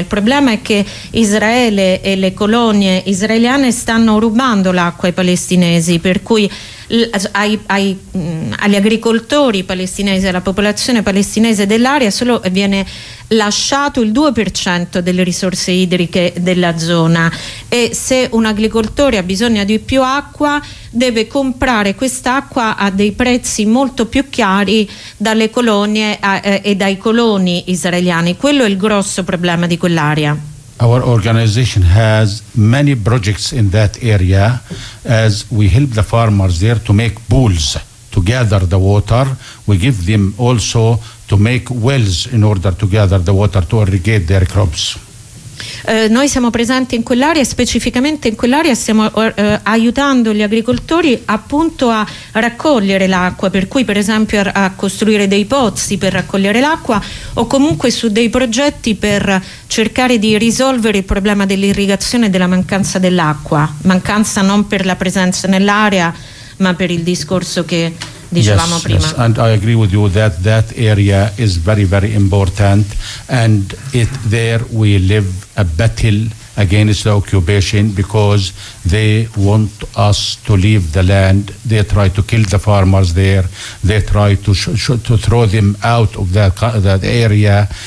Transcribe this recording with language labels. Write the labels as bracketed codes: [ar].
[it] Il problema è che Israele e le colonie israeliane stanno rubando l'acqua ai palestinesi, per cui agli agricoltori palestinesi, alla popolazione palestinese dell'area solo viene lasciato il 2% delle risorse idriche della zona, e se un agricoltore ha bisogno di più acqua deve comprare quest'acqua a dei prezzi molto più chiari dalle colonie e dai coloni israeliani. Quello è il grosso problema di quell'area. [en] Our organization has many projects in that area, as we help the farmers there to make pools to gather the water. We give them also to make wells in order to gather the water to irrigate their crops. [it] Noi siamo presenti in quell'area, specificamente in quell'area stiamo aiutando gli agricoltori appunto a raccogliere l'acqua, per cui per esempio a costruire dei pozzi per raccogliere l'acqua o comunque su dei progetti per cercare di risolvere il problema dell'irrigazione e della mancanza dell'acqua, mancanza non per la presenza nell'area ma per il discorso che dicevamo prima. [en] Yes, and I agree with you that that area is very, very important, and it there we live a battle against the occupation because they want us to leave the land. They try to kill the farmers there. They try to to throw them out of that area.